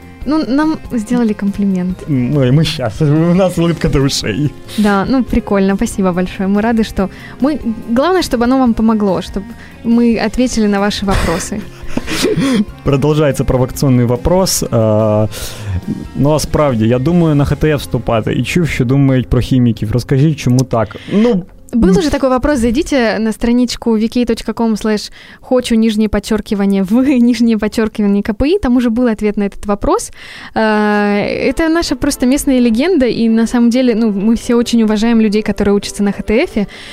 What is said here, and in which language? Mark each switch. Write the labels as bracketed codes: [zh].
[ru] Сказать? Ну, нам сделали комплимент. Ну и мы сейчас, у нас улыбка до ушей. Да, ну прикольно, спасибо большое, мы рады, что... мы. Главное, чтобы оно вам помогло, чтобы мы ответили на ваши вопросы. Продолжается провокационный вопрос. [uk] Ну, а справді, я думаю на ХТФ вступати. І чув, що думають про хіміків. Розкажи, чому так? [ru] Ну, был уже такой вопрос, зайдите на страничку vk.com/хочу_вы_КПИ, там уже был ответ на этот вопрос. Это наша просто местная легенда, и на самом деле, ну, мы все очень уважаем людей, которые учатся на ХТФе.